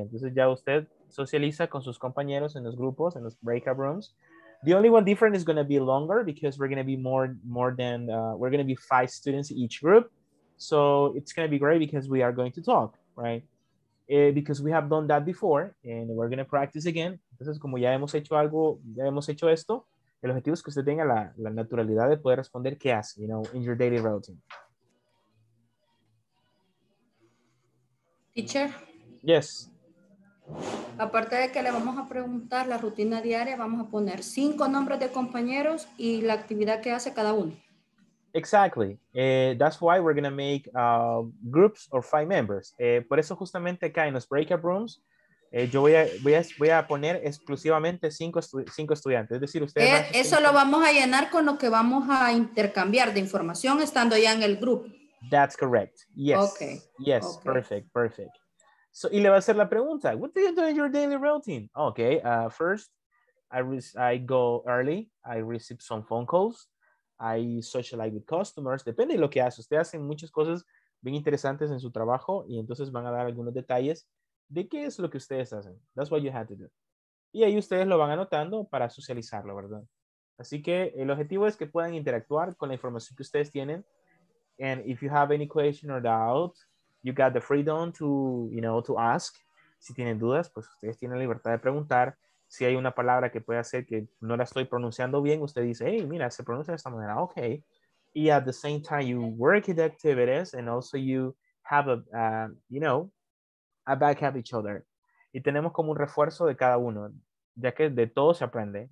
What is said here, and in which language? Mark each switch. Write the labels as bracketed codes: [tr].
[es] Entonces ya usted socializa con sus compañeros en los grupos, en los breakout rooms. [en] The only one different is going to be longer because we're going to be we're going to be 5 students each group. So it's going to be great because we are going to talk, right? Because we have done that before and we're going to practice again. [es] Entonces, como ya hemos hecho algo, ya hemos hecho esto, el objetivo es que usted tenga la naturalidad de poder responder qué hace, [en] you know, in your daily routine. Teacher. Yes. [es] Aparte de que le vamos a preguntar la rutina diaria, vamos a poner 5 nombres de compañeros y la actividad que hace cada uno. [en] Exactly. That's why we're going to make groups of 5 members. [es] Por eso justamente acá en los breakout rooms, yo voy a poner exclusivamente 5 estudiantes. Es decir, ustedes eso lo vamos a llenar con lo que vamos a intercambiar de información estando ya en el grupo. [en] That's correct. Yes. Okay. Yes, okay. Perfect, perfect. So, [es] y le va a hacer la pregunta, [en] what do you do in your daily routine? Okay, first, I go early, I receive some phone calls, I socialize with customers, [es] depende de lo que hace. Ustedes hacen muchas cosas bien interesantes en su trabajo y entonces van a dar algunos detalles de qué es lo que ustedes hacen. [en] That's what you have to do. [es] Y ahí ustedes lo van anotando para socializarlo, ¿verdad? Así que el objetivo es que puedan interactuar con la información que ustedes tienen. [en] And if you have any question or doubt, you got the freedom to, you know, to ask. [es] Si tienen dudas, pues ustedes tienen la libertad de preguntar. Si hay una palabra que puede hacer que no la estoy pronunciando bien, usted dice, hey, mira, se pronuncia de esta manera. [en] Okay. Y at the same time, you work in the activities and also you have a backup each other. [es] Y tenemos como un refuerzo de cada uno, ya que de todo se aprende.